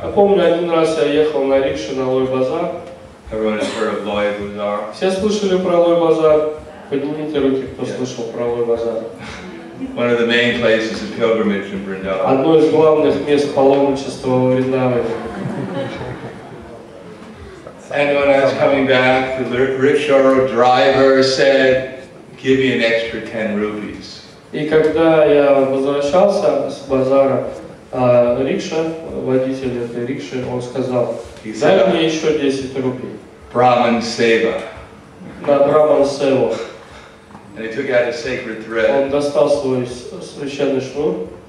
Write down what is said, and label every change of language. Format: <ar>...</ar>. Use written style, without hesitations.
<ru>Я помню, один раз я ехал на рикше на Лохи Базар.</ru> <en>Everyone has heard of Lohi Bazaar.</en> <ru>Все слышали про Лохи Базар? Поднимите руки, кто слышал про Лохи Базар.</ru> <en>One of the main places of pilgrimage in Vrindavan.</en> <ru>Одно из главных мест паломничества в Вриндаване.</ru> <en>And when I was coming back, the rickshaw driver said, "Give me an extra 10 rupees."</en> <ru>И когда я возвращался с базара, рикша, водитель этой рикши, он сказал, "Дай мне еще 10 рупий."</ru> <sa>Brahman seva.</sa> <ru>На Brahman seva.</ru> <en>And he took out his sacred thread.</en> <ru>Он достал свой священный шнур.</ru>